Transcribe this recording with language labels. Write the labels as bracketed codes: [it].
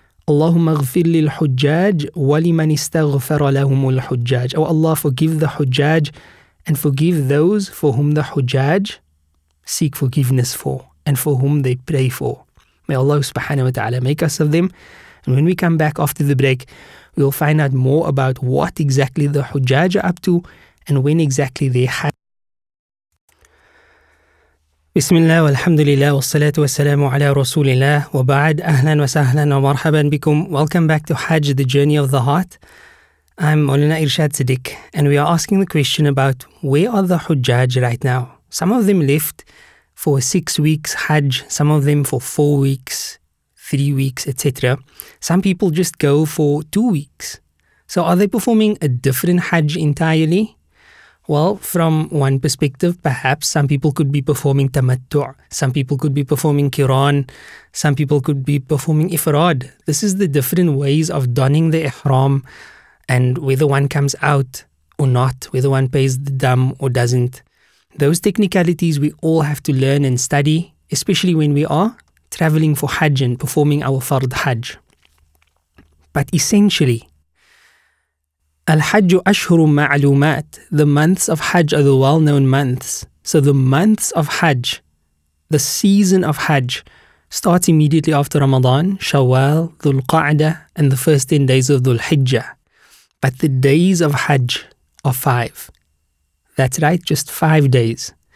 [ar] اللهم اغفر للحجاج ولمن استغفر لهم الحجاج. [en] Oh Allah, forgive the Hujjaj and forgive those for whom the Hujjaj seek forgiveness for and for whom they pray for. May Allah subhanahu wa ta'ala make us of them. And when we come back after the break, we'll find out more about what exactly the Hujjaj are up to and when exactly they had. [ar] بسم الله والحمد لله والصلاة والسلام على رسول الله وبعد أهلا وسهلا ومرحبا بكم. [en] Welcome back to Hajj, the journey of the heart. I'm Maulana Irshad Siddiq and we are asking the question about where are the Hujjaj right now? Some of them left for 6 weeks Hajj, some of them for 4 weeks, 3 weeks, etc. Some people just go for 2 weeks. So are they performing a different Hajj entirely? Well, from one perspective, perhaps some people could be performing tamattu', some people could be performing qiran, some people could be performing ifrad. This is the different ways of donning the ihram and whether one comes out or not, whether one pays the dam or doesn't. Those technicalities we all have to learn and study, especially when we are traveling for hajj and performing our fard hajj. But essentially, [ar] الحج أشهر معلومات. [en] The months of Hajj are the well-known months. So the months of Hajj, the season of Hajj, starts immediately after Ramadan, Shawwal, Dhul Qa'dah, and the first 10 days of Dhul Hijjah. But the days of Hajj are 5. That's right, just 5 days.